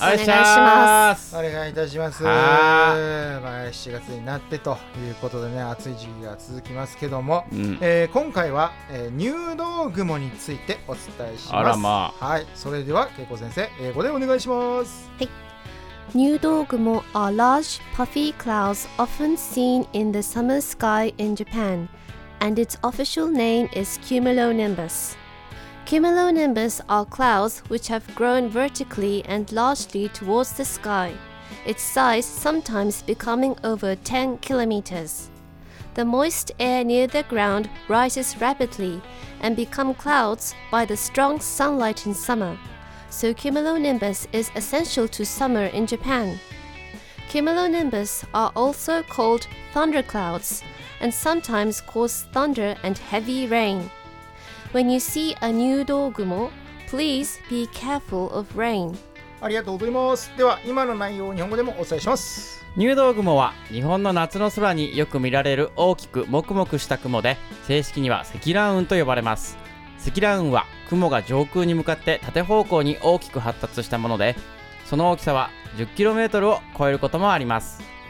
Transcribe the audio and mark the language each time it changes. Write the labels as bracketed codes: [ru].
[ja] よろしくお願いします。お願いいたします。 7月になってということでね、暑い時期が続きますけども、今回は、入道雲についてお伝えします。あら、まあ、はい、それでは恵子先生、英語でお願いします。 [en] 入道雲 are large puffy clouds often seen in the summer sky in Japan, and its official name is cumulonimbus. Cumulonimbus are clouds which have grown vertically and largely towards the sky, its size sometimes becoming over 10 kilometers. The moist air near the ground rises rapidly and become clouds by the strong sunlight in summer. So cumulonimbus is essential to summer in Japan. Cumulonimbus are also called thunderclouds and sometimes cause thunder and heavy rain. When you see a nyūdōgumo, please be careful of rain. [ja] ありがとうございます。では今の内容を日本語でもお伝えします。入道雲は日本の夏の空によく見られる大きくもくもくした雲で、正式には積乱雲と呼ばれます。積乱雲は雲が上空に向かって縦方向に大きく発達したもので、その大きさは 10km を超えることもあります。